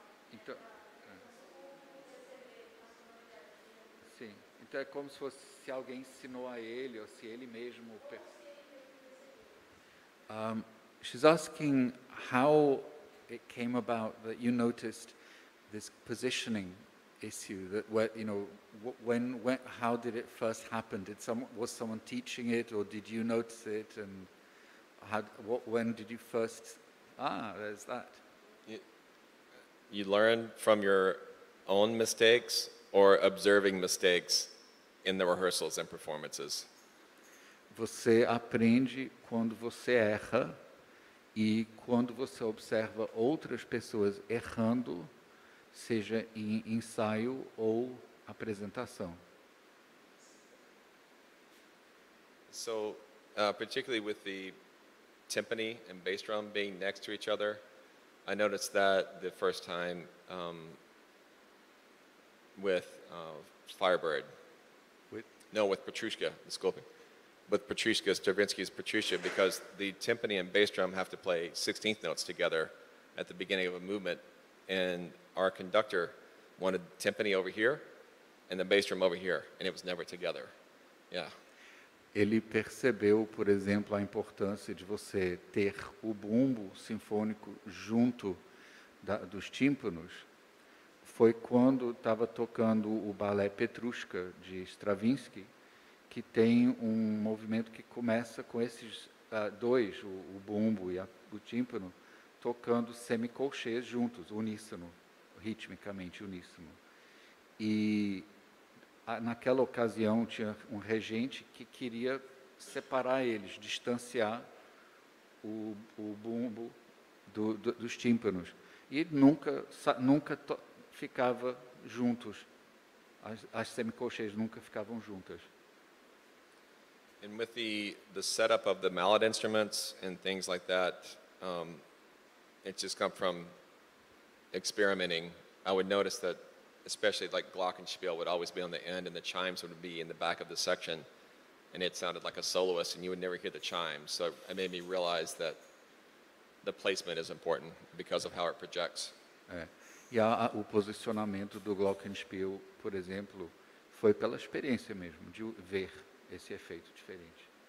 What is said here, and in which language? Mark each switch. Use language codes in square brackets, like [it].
[pt] Então, sim, então é como se fosse, se alguém ensinou a ele ou se ele mesmo percebeu. [en] She's asking how it came about that you noticed this positioning issue, that where, you know, when how did it first happen? Did someone, was someone teaching it, or did you notice it, and had, what, when did you first, there's that. You learn from your own mistakes or observing mistakes in the rehearsals and performances. [pt] Você aprende quando você erra e quando você observa outras pessoas errando, seja em ensaio ou apresentação. [en] So, particularly with the timpani and bass drum being next to each other, I noticed that the first time with Firebird. With [pt] Petrushka, desculpe. [en] With Petrushka, Stravinsky's Petrushka, because the timpani and bass drum have to play 16th notes together at the beginning of a movement, and our conductor wanted timpani over here and the bass drum over here, and it was never together. Yeah. [pt] Ele percebeu, por exemplo, a importância de você ter o bumbo sinfônico junto dos tímpanos. Foi quando estava tocando o balé Petrushka de Stravinsky, que tem um movimento que começa com esses dois, o bumbo e o tímpano, tocando semicolchês juntos, uníssono, ritmicamente uníssono. E naquela ocasião tinha um regente que queria separar eles, distanciar o bumbo dos tímpanos. E nunca ficava juntos, as semicolchês nunca ficavam juntas. [en] And with the setup of the mallet instruments and things like that, it just come from experimenting. I would notice that especially like glockenspiel would always be on the end and the chimes would be in the back of the section, and it sounded like a soloist and you would never hear the chimes. So it made me realize that the placement is important because of how it projects. [pt] O posicionamento do glockenspiel, por exemplo, foi pela experiência mesmo de ver esse efeito diferente.